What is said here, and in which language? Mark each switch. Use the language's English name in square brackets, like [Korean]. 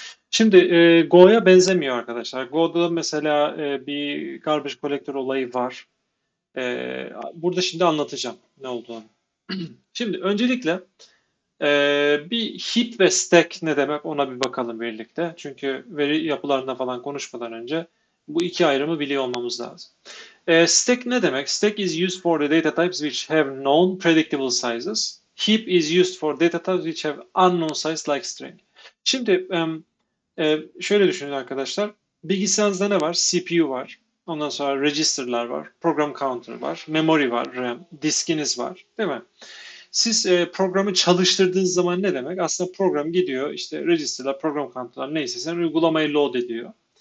[Turkish] Şimdi Go'ya benzemiyor arkadaşlar. Go'da mesela bir garbage collector olayı var. Burada şimdi anlatacağım ne olduğunu. Şimdi öncelikle bir heap ve stack ne demek ona bir bakalım birlikte. Çünkü veri yapılarına falan konuşmadan önce bu iki ayrımı biliyor olmamız lazım. Stack ne demek? [English] Stack is used for the data types which have known predictable sizes. Heap is used for data types which have unknown size like string. [Turkish] Şimdi şöyle düşünün arkadaşlar. Bilgisayarınızda ne var? CPU var. Ondan sonra registerlar var. Program counter var. Memory var. RAM. Diskiniz var. Değil mi? Siz programı çalıştırdığınız zaman ne demek? Aslında program gidiyor işte register'lar, program counter'lar neyse sen uygulamayı load ediyor.